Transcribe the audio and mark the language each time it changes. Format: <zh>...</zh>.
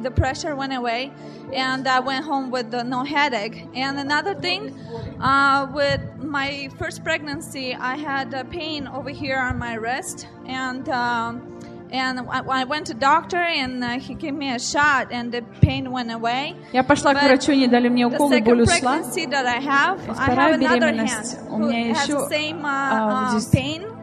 <en>The pressure went away, and I went home with no headache. And another thing, with my first pregnancy, I had a pain over here on my wrist, and I went to doctor, and he gave me a shot, and the pain went away.</en> <ru>Я пошла к врачу, не дали мне укол, боль ушла.</ru> <en>The second pregnancy that I have, I have another hand who has the same pain.</en>